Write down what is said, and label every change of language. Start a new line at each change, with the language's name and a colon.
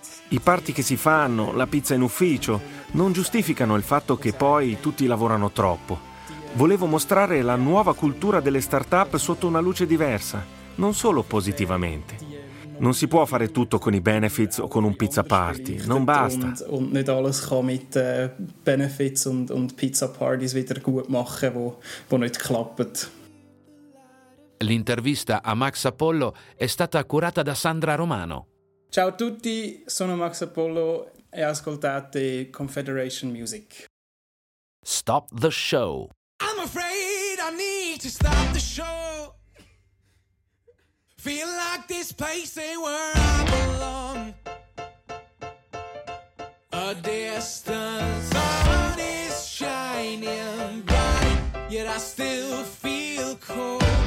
Italian: I party che si fanno, la pizza in ufficio, non giustificano il fatto che poi tutti lavorano troppo. Volevo mostrare la nuova cultura delle start-up sotto una luce diversa, non solo positivamente. Non si può fare tutto con i benefits o con un pizza party, non basta.
German: Und nicht alles kann mit benefits und pizza parties wieder gut machen, wo nicht klappt.
Italian: L'intervista a Max Apollo è stata curata da Sandra Romano. Ciao a tutti, sono Max Apollo e ascoltate Confederation Music.
English: Stop the show. I'm afraid I need to stop the show. Feel like this place ain't where I belong. A distance sun is shining bright, yet I still feel cold.